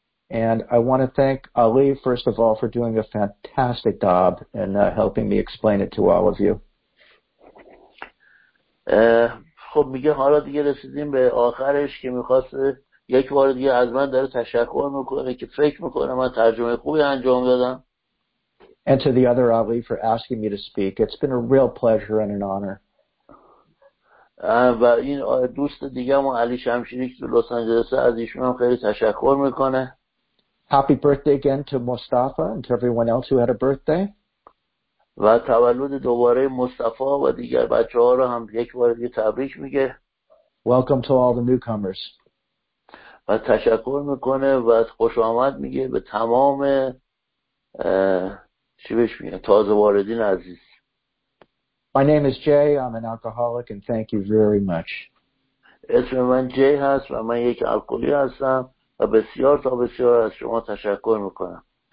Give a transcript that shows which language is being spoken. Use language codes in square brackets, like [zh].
[en] And I want to thank Ali, first of all, for doing a fantastic job and helping me explain it to all of you. [fa] خب میگه حالا دیگه رسیدیم به آخرش که میخواست یک بار دیگه از من داره تشکر میکنه که فکر میکنه من ترجمه خوبی انجام دادم. [en] And to the other Ali for asking me to speak. It's been a real pleasure and an honor. [fa] و این دوست دیگه من علی شمشیری که تو لس آنجلس از ایشون هم خیلی تشکر میکنه. [en] Happy birthday again to Mustafa and to everyone else who had a birthday. [fa] و تولد دوباره مصطفی و دیگر بچه ها رو هم یک بار دیگه تبریک میگه. [en] Welcome to all the newcomers. [fa] و تشکر میکنه و خوش آمد میگه به تمام چی بهش میگه تازه واردین عزیز. [en] My name is Jay. I'm an alcoholic and thank you very much. [fa] اسم من جی هست و من یک الکلی هستم و بسیار تا بسیار از شما تشکر میکنم.